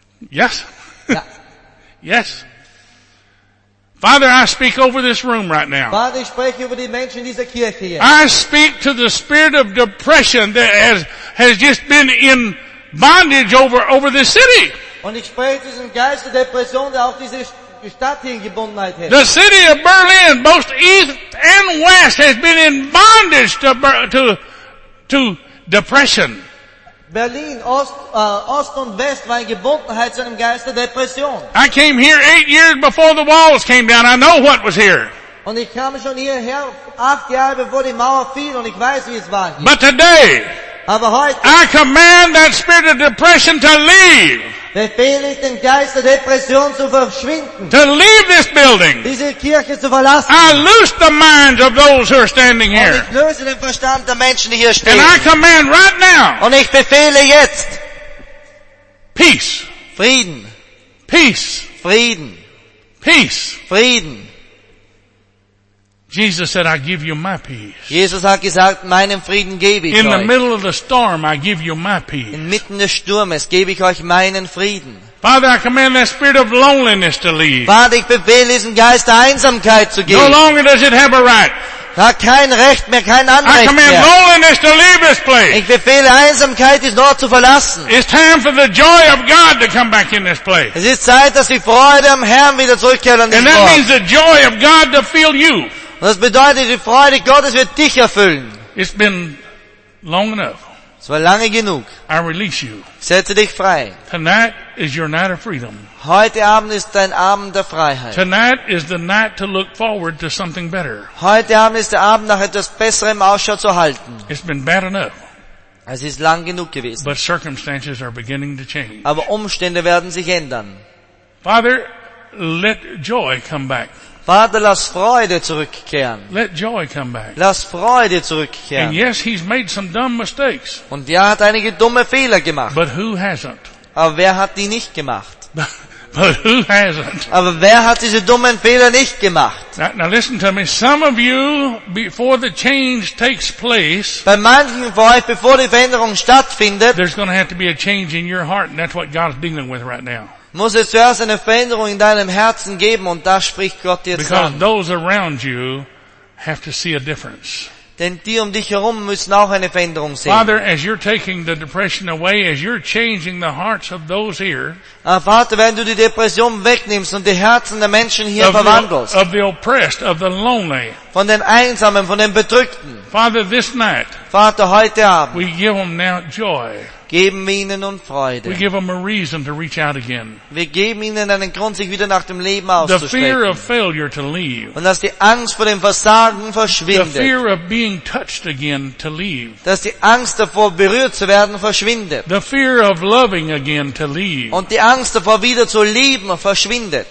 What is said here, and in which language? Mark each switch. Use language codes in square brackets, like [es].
[en] Yes. Yes. Father, I speak over this room right now. I speak to the spirit of depression that has just been in bondage over this city. [de] Und ich spreche diesen Geist der Depression, der auch diese Stadt hier in Gebundenheit hält. [en] The city of Berlin, both east and west, has been in bondage to depression. [de] Berlin, Ost und West war in Gebundenheit zu einem Geist der Depression. [en] I came here 8 years before the walls came down. I know what was here. [de] Und ich kam schon hierher 8 Jahre bevor die Mauer fiel und ich weiß, wie es war. Hier. [en] But today, [de] aber heute, [en] I command that spirit of depression to leave. [de] Befehle ich den Geist der Depression zu verschwinden. [en] To leave this building. [de] Diese Kirche zu verlassen. [en] I loose the minds of those who are standing here. [de] Und ich löse den Verstand der Menschen, die hier stehen. [en] And I command right now. [de] Und ich befehle jetzt. [en] Peace. [de] Frieden. [en] Peace. [de] Frieden. [en] Peace. [de] Frieden. [en] Jesus said, I give you my peace. [de] Jesus hat gesagt, meinen Frieden gebe ich [en] In [de] euch. [en] The middle of the storm, I give you my peace. [de] Inmitten des Sturmes gebe ich euch meinen Frieden. [en] Father, I command that spirit of loneliness to leave. [de] Vater, ich befehle diesem Geist der Einsamkeit zu gehen. [en] No longer does it have a right. [de] Hat kein Recht mehr, kein Anrecht [en] I command [de] mehr. [en] Loneliness to leave this place. [de] Ich befehle Einsamkeit, diesen Ort zu verlassen. [en] It's time for the joy of God to come back in this place. [de] Es ist Zeit, dass die Freude am Herrn wieder zurückkehrt an diesen [en] And [de] Ort. [en] And that means the joy of God to fill you. [de] Das bedeutet, die Freude Gottes wird dich erfüllen. [en] It's been long enough. [de] Es war lange genug. [en] I release you. [de] Setze dich frei. [en] Tonight is your night of freedom. [de] Heute Abend ist dein Abend der Freiheit. [en] Tonight is the night to look forward to something better. [de] Heute Abend ist der Abend, nach etwas Besserem Ausschau zu halten. [en] It's been bad enough. [de] Es ist lang genug gewesen. [en] But circumstances are beginning to change. [de] Aber Umstände werden sich ändern. [en] Father, let joy come back. [de] Vater, lass Freude zurückkehren. [en] Let joy come back. [de] Lass Freude zurückkehren. [en] And yes, he's made some dumb mistakes. [de] Und ja, hat einige dumme Fehler gemacht. [en] But who hasn't? [de] Aber wer hat die nicht gemacht? [en] But who hasn't? [de] Aber wer hat diese dummen Fehler nicht gemacht? [en] Now listen to me. Some of you, before the change takes place, [de] bei manchen von euch, bevor die Veränderung stattfindet, [en] there's going to have to be a change in your heart, and that's what God is dealing with right now. [de] Muss es zuerst eine Veränderung in deinem Herzen geben, und da spricht Gott jetzt [en] Because [de] an. [en] Those around you have to see a difference. [de] Denn die um dich herum müssen auch eine Veränderung sehen. [en] Father, as you're taking the depression away, as you're changing the hearts of those here, [de] Vater, wenn du die Depression wegnimmst und die Herzen der Menschen hier verwandelst, [en] of the oppressed, of the lonely, [de] von den Einsamen, von den Bedrückten, [en] Father, this night, [de] Vater, heute Abend, [en] we give them now joy. [de] Geben wir ihnen nun Freude. [en] We give them a reason to reach out again. [de] Wir geben ihnen einen Grund, sich wieder nach dem Leben auszustrecken. [en] The fear of failure to leave. [de] Und dass die Angst vor dem Versagen verschwindet. [en] The fear of being touched again to leave. [de] Dass die Angst davor, berührt zu werden, verschwindet. [en] The fear of loving again to leave. [de] Und die Angst davor, wieder zu lieben, verschwindet.